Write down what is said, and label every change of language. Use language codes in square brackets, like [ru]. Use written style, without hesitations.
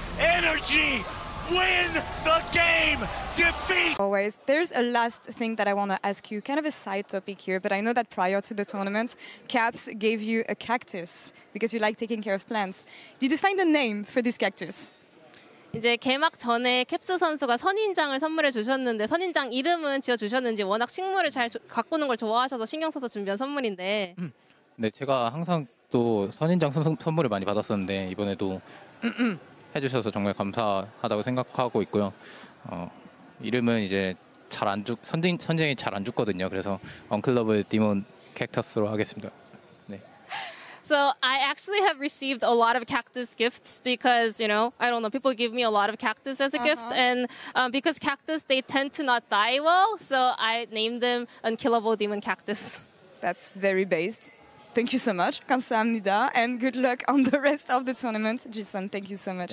[en] Energy, win the game. Defeat. Always. There's a last thing that I want to ask you, kind of a side topic here, but I know that prior to the tournament, Caps gave you a cactus because you like taking care of plants. Did you find a name for this cactus? [ko] 이제 개막 전에 캡스 선수가 선인장을 선물해 주셨는데 선인장 이름은 지어 주셨는지 워낙 식물을 잘 가꾸는 걸 좋아하셔서 신경 써서 준비한 선물인데. 네, 제가 항상 또 선인장 선물을 많이 받았었는데 이번에도 해 주셔서 정말 감사하다고 생각하고 있고요. 이름은 이제 잘 안 죽 선쟁이 잘 안 죽거든요. 그래서 언클러블 디몬 캐터스로 하겠습니다. 네. [en] So I actually have received a lot of cactus gifts because, you know, I don't know, people give me a lot of cactus as a gift. And because cactus, they tend to not die well. So I named them unkillable demon cactus. That's very based. Thank you so much. [ko] 감사합니다. [en] And good luck on the rest of the tournament. Jisun, thank you so much,